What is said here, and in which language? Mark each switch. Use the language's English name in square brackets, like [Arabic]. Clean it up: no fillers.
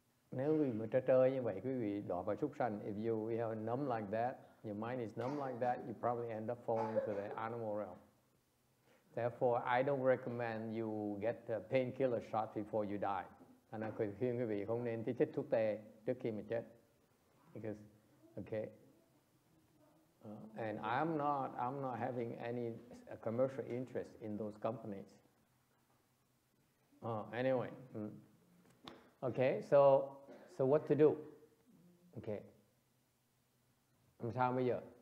[Vietnamese] Nếu quý vị trơ trơ như vậy, quý vị đọa vào súc sanh. [English] If you have numb like that, your mind is numb like that, you probably end up falling to the animal realm. Therefore, I don't recommend you get a painkiller shot before you die. [Vietnamese] Và nên quý vị không nên tiếp xúc thuốc tê trước khi mà chết. [English] Because, okay. And I'm not having any commercial interest in those companies. Anyway. Okay, so what to do? Okay. [Vietnamese] Làm sao bây giờ?